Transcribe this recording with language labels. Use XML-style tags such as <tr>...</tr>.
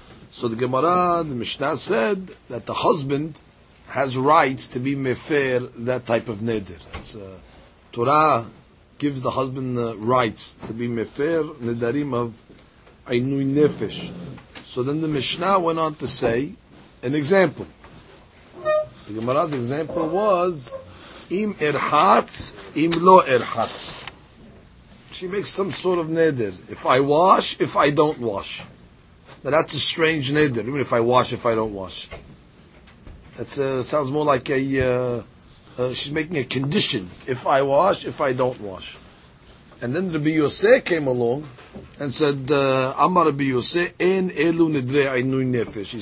<en>So the Gemara, the Mishnah said that the husband has rights to be mefer that type of neder. It's, Torah gives the husband the rights to be mefer nedarim of einui nefesh. So then the Mishnah went on to say an example. The Gemara's example was</en> <he>im erhatz, im lo erhatz.</he> <en>She makes some sort of neder. If I wash, if I don't wash. Now that's a strange neder. Even if I wash, if I don't wash. That sounds more like she's making a condition. If I wash, if I don't wash. And then Rabbi Yosef came along and said,</en> <he>Amar Rabbi Yosef, en elu nedre einui nefesh.</he>